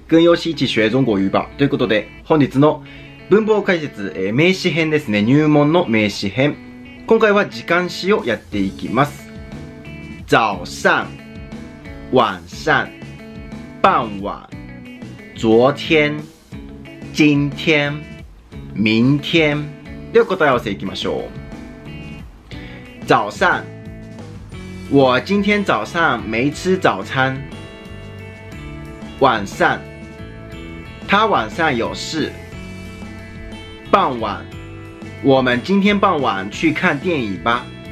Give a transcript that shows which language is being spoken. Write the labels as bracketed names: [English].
[Japanese] 軍用紙一種へ中国語吧ということで、本日の文法解説、名詞編ですね、入門の名詞編、今回は時間詞をやっていきます。 [Chinese] 早上、晚上、傍晚、昨天、今天、明天。 [Japanese] では答え合わせいきましょう。 [Chinese] 早上，我今天早上没吃早餐。晚上，他晚上有事。傍晚，我们今天傍晚去看电影吧。